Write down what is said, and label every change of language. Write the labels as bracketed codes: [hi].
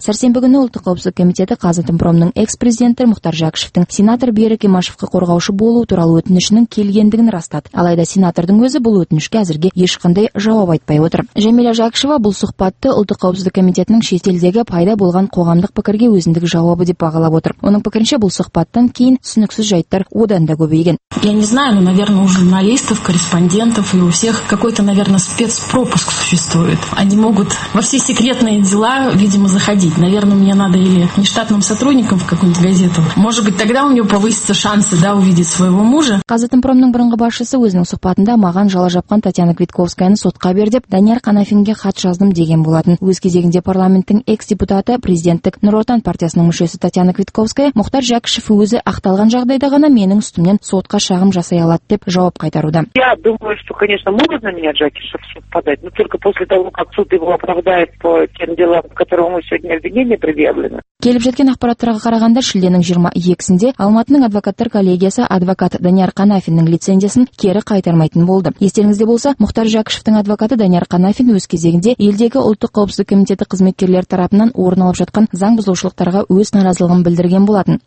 [kk] Сәрсенбі күні ұлттық қауіпсіздік комитеті Қазатомпромның экс-президенті Мұхтар Жәкішевтің сенатор Берік Имашевқа қорғаушы болу туралы өтінішінің келгендігін растады. Алайда сенатордың өзі бұл өтінішке әзірге ешқандай жауап айтпай отыр. Жәмилә Жәкішева бұл сұхбатты ұлттық қауіпсіздік комитетінің шетелдегі пайда болған қоғамдық пікірге өзіндік жауабы деп бағалап отыр. Оның пікірінше бұл сұхбаттан кейін түсініксіз жайттар одан да көбейген. [ru] Я не знаю, но, наверное, у журналистов, корреспондентов и у всех какой-то, наверное, спецпропуск существует. Они могут во все секретные дела, видимо, заходить. Наверное, мне надо или нештатным сотрудником в какую-нибудь газету. Может быть, тогда у нее повысятся шансы, да, увидеть своего мужа. [kk] Қазатомпромның бұрынғы басшысы өзінің сұхбатында маған жала жапқан Татьяна Квитковскаяны сотқа бер деп Данияр Қанафинге хат жаздым деген болатын. Өз кезегінде парламенттің экс-депутаты, президенттік Нұр Отан партиясының мүшесі Татьяна Квитковская, Мұхтар Жәкішев өзі ақталған жағдайда ғана менің үстімнен сотқа шағым жасай алады деп жауап қайтаруда. [ru] Я думаю, что, конечно, могут на меня Жакишев подать, но только после того, как суд его оправдает по тем делам, которому сегодня обвинение предъявлено. [kk] Келіп жеткен ақпараттарға қарағанда шілденің 22-сінде Алматының адвокаттар коллегиясы адвокат Данияр Қанафиннің лицензиясын кері қайтармайтын болды. Естеріңізде болса, Мұхтар Жәкішевтің адвокаты Данияр Қанафин өз кезегінде елдегі ұлттық қауіпсіздік комитеті қызметкерлері тарапынан орын алып жатқан заң бұзушылықтарға өз наразылығын білдірген болатын.